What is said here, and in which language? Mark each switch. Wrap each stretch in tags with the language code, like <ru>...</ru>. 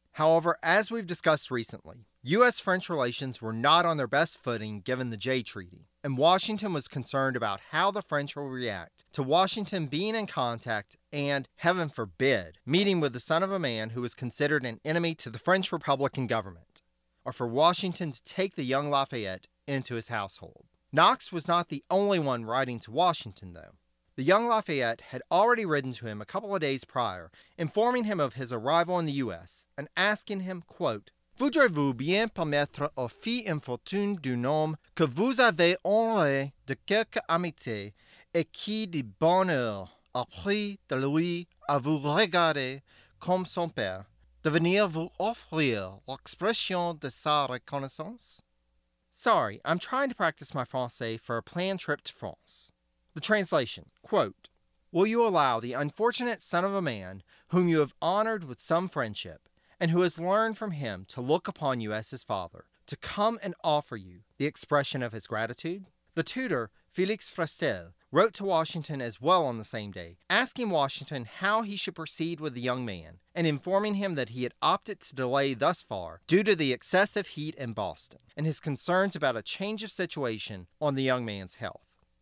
<en>However, as we've discussed recently, U.S.-French relations were not on their best footing given the Jay Treaty, and Washington was concerned about how the French will react to Washington being in contact and, heaven forbid, meeting with the son of a man who was considered an enemy to the French Republican government, or for Washington to take the young Lafayette into his household. Knox was not the only one writing to Washington, though. The young Lafayette had already written to him a couple of days prior, informing him of his arrival in the U.S. and asking him, quote,</en> <fr>"voudrez-vous bien permettre aux filles infortunes d'un homme que vous avez honoré de quelque amitié et qui de bonheur a pris de lui à vous regarder comme son père de venir vous offrir l'expression de sa reconnaissance?"</fr> <en>Sorry, I'm trying to practice my français for a planned trip to France. The translation, quote, "will you allow the unfortunate son of a man whom you have honored with some friendship and who has learned from him to look upon you as his father, to come and offer you the expression of his gratitude? The tutor, Felix Frastel, wrote to Washington as well on the same day, asking Washington how he should proceed with the young man and informing him that he had opted to delay thus far due to the excessive heat in Boston and his concerns about a change of situation on the young man's health.</en>